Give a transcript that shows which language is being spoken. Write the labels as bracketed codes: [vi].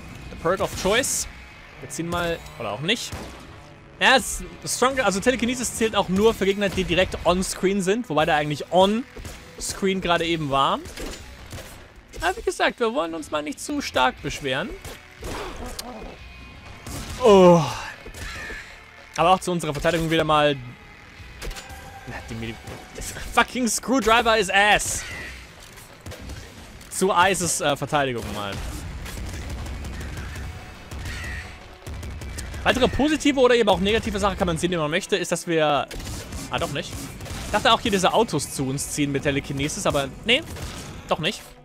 [en] The Perk of Choice. [de] Wir ziehen mal, oder auch nicht. Ja, Stronger, also Telekinesis zählt auch nur für Gegner, die direkt on-screen sind. Wobei der eigentlich on-screen gerade eben war. Aber wie gesagt, wir wollen uns mal nicht zu stark beschweren. Oh. Aber auch zu unserer Verteidigung wieder mal. [en] Fucking Screwdriver is ass. [de] Zu Ices Verteidigung mal. Weitere positive oder eben auch negative Sache kann man sehen, wenn man möchte, ist, dass wir... Ah, doch nicht. Ich dachte auch hier diese Autos zu uns ziehen mit Telekinesis, aber nee, doch nicht.